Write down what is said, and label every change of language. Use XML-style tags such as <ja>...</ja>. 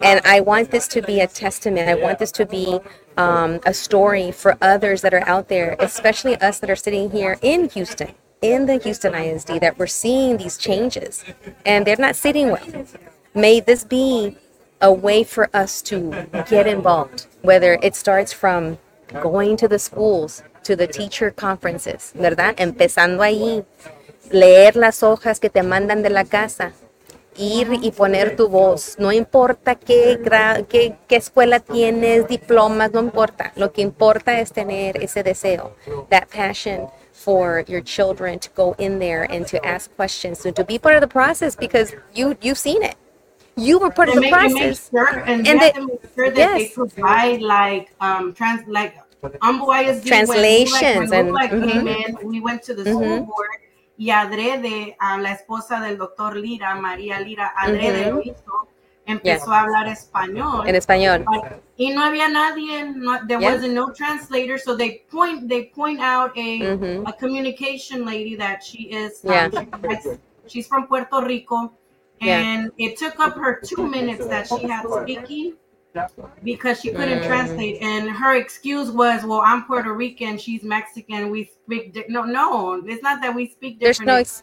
<en>And I want this to be a testament. I want this to be a story for others that are out there, especially us that are sitting here in Houston, in the Houston ISD, that we're seeing these changes and they're not sitting well. May this be a way for us to get involved, whether it starts from going to the schools, to the teacher conferences,</en> <es>¿verdad? Empezando ahí, leer las hojas que te mandan de la casa, ir y poner tu voz, no importa qué escuela tienes, diplomas, no importa. Lo que importa es tener ese deseo,</es> <en>that passion for your children to go in there and to ask questions and to be part of the process, because you've seen it. You were part of the process. They provide translations. We went to the school board.</en> <es>Y adrede, la esposa del doctor Lira, María Lira, adrede lo hizo, empezó a hablar español. En español. Y no había nadie,</es> <en>wasn't no translator, so they point out a communication lady that she is, she's from Puerto Rico, and it took up her 2 minutes that she had speaking, because she couldn't translate, and her excuse was, well, I'm Puerto Rican, she's Mexican, we speak no, it's not that we speak different.</en>